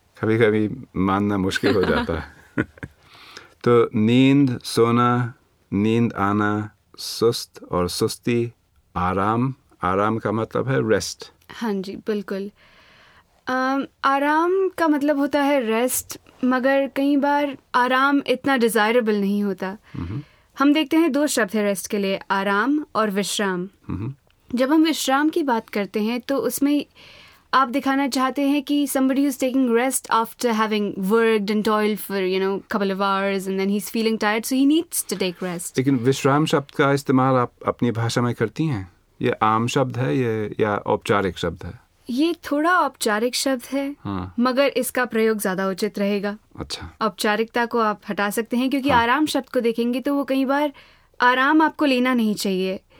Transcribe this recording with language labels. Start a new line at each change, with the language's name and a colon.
Hindi: कभी कभी मानना मुश्किल हो जाता है. तो नींद, सोना, नींद आना, सुस्त और सुस्ती, आराम. आराम का मतलब है रेस्ट. हाँ जी, बिल्कुल. आराम का मतलब होता है रेस्ट, मगर कई बार आराम इतना डिजायरेबल नहीं होता. हम देखते हैं दो शब्द है रेस्ट के लिए, आराम और विश्राम. जब हम विश्राम की बात करते हैं तो उसमें आप दिखाना चाहते हैं कि
English: somebody is taking rest after having worked and toiled for, you know, couple of hours and then he's feeling tired, so he needs to take rest.
Hindi: लेकिन विश्राम शब्द का इस्तेमाल आप अपनी भाषा में करती हैं? ये आम शब्द है ये या औपचारिक शब्द है? ये थोड़ा औपचारिक शब्द है. हाँ. मगर इसका प्रयोग ज्यादा उचित रहेगा. अच्छा, औपचारिकता को आप हटा सकते हैं क्योंकि हाँ. आराम शब्द को देखेंगे तो वो कई बार आराम आपको लेना नहीं चाहिए.